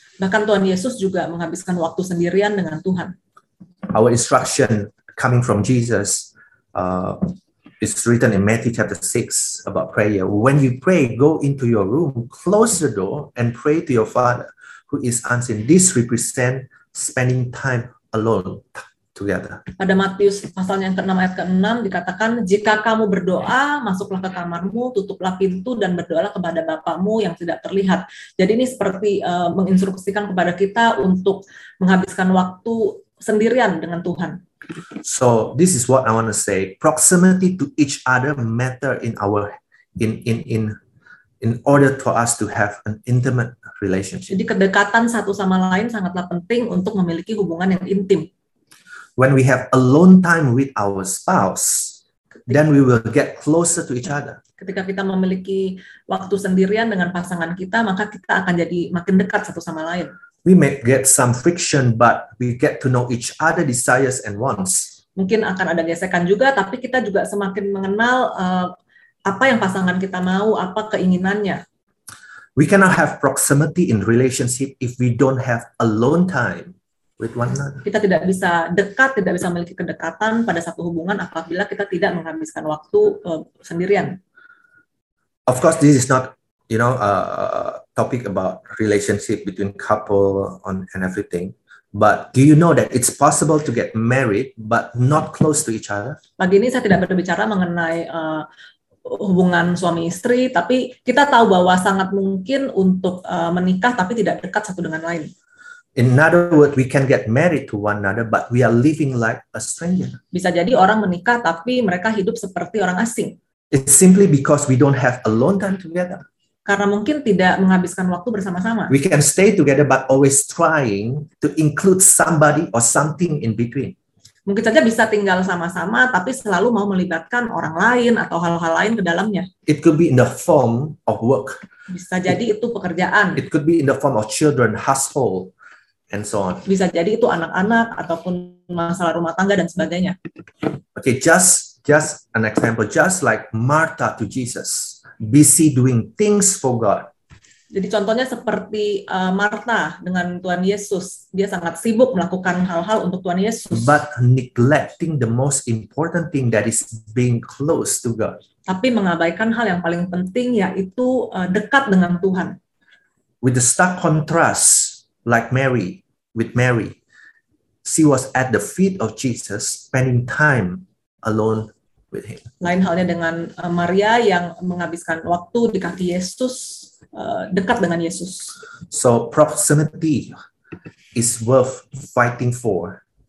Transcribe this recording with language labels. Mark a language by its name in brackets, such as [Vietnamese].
[Indonesian] Bahkan Tuhan Yesus juga menghabiskan waktu sendirian dengan Tuhan. [English] Our instruction coming from Jesus is written in Matthew chapter 6 about prayer. When you pray, go into your room, close the door, and pray to your Father who is unseen. This represents spending time alone together. [Indonesian] Pada Matius pasal yang ke-6 ayat ke-6 dikatakan, jika kamu berdoa, masuklah ke kamarmu, tutuplah pintu, dan berdoalah kepada Bapamu yang tidak terlihat. Jadi ini seperti menginstruksikan kepada kita untuk menghabiskan waktu sendirian dengan Tuhan. [English] So this is what I want to say. Proximity to each other matter in order for us to have an intimate relationship. [Indonesian] Jadi kedekatan satu sama lain sangatlah penting untuk memiliki hubungan yang intim. [English] When we have alone time with our spouse, then we will get closer to each other. [Indonesian] Ketika kita memiliki waktu sendirian dengan pasangan kita, maka kita akan jadi makin dekat satu sama lain. [English] We may get some friction, but we get to know each other's desires and wants. [Indonesian] Mungkin akan ada gesekan juga, tapi kita juga semakin mengenal apa yang pasangan kita mau, apa keinginannya. [English] We cannot have proximity in relationship if we don't have alone time with one another. [Indonesian] Kita tidak bisa dekat, tidak bisa memiliki kedekatan pada satu hubungan apabila kita tidak menghabiskan waktu sendirian. [English] Of course, this is not, you know, topic about relationship between couple on and everything, but do you know that it's possible to get married but not close to each other? [Indonesian] Pagi ini saya tidak berbicara mengenai hubungan suami istri, tapi kita tahu bahwa sangat mungkin untuk menikah tapi tidak dekat satu dengan lain. [English] In other words, we can get married to one another but we are living like a stranger. [Indonesian] Bisa jadi orang menikah tapi mereka hidup seperti orang asing. [English] It's simply because we don't have alone time together. [Indonesian] Karena mungkin tidak menghabiskan waktu bersama-sama. [English] We can stay together but always trying to include somebody or something in between. [Indonesian] Mungkin saja bisa tinggal sama-sama tapi selalu mau melibatkan orang lain atau hal-hal lain ke dalamnya. [English] It could be in the form of work. [Indonesian] Bisa jadi itu pekerjaan. [English] It could be in the form of children, household, and so on. [Indonesian] Bisa jadi itu anak-anak ataupun masalah rumah tangga dan sebagainya. [English] Okay, just an example, just like Martha to Jesus. Busy doing things for God. [Indonesian] Jadi contohnya seperti Martha dengan Tuhan Yesus, dia sangat sibuk melakukan hal-hal untuk Tuhan Yesus. [English] But neglecting the most important thing, that is being close to God. [Indonesian] Tapi mengabaikan hal yang paling penting, yaitu dekat dengan Tuhan. [English] With the stark contrast, like Mary, with Mary, she was at the feet of Jesus, spending time alone. [Indonesian] Lain halnya dengan Maria yang menghabiskan waktu di kaki Yesus, dekat dengan Yesus. [English] So proximity is worth fighting for.